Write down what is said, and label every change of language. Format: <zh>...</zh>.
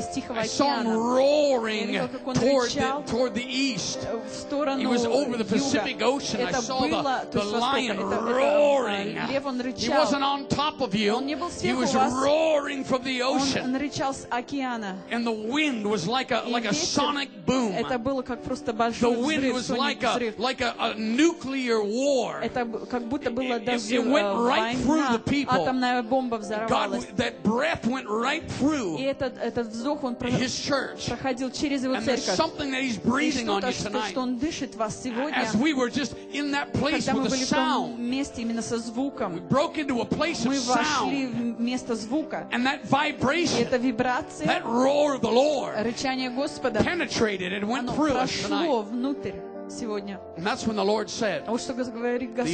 <en>I saw him roaring toward the east. It was over the Pacific Ocean. I saw the lion roaring. He wasn't on top of you. He was roaring from the ocean. And the wind was like a sonic boom.</en> <ru>это было как просто большой взрыв.</ru> <en>The wind was like a nuclear war.</en> <ru>Это как будто было даже война.</ru> <en>It went right through the people.</en> <ru>Атомная бомба взорвалась.</ru> <en>That breath went right through.</en> <ru>И этот вздох он проходил через его церковь.</ru> <en>And there's something that he's breathing on you tonight.</en> <ru>Что он дышит вас сегодня.</ru> <en>As we were just in that place with the sound.</en> <ru>Когда мы были в месте именно со звуком.</ru> <en>We broke into a place of sound.</en> <ru>Мы вошли в место звука.</ru> <en>And that vibration.</en> <ru>Эта вибрация.</ru> <en>That roar of the Lord.</en> <ru>Рычание Господа.</ru> <en>Penetrated and went through us tonight.</en> <ru>Прошло внутрь сегодня.</ru> <en>And that's when the Lord said.</en> <ru>А вот что говорит Господь.</ru>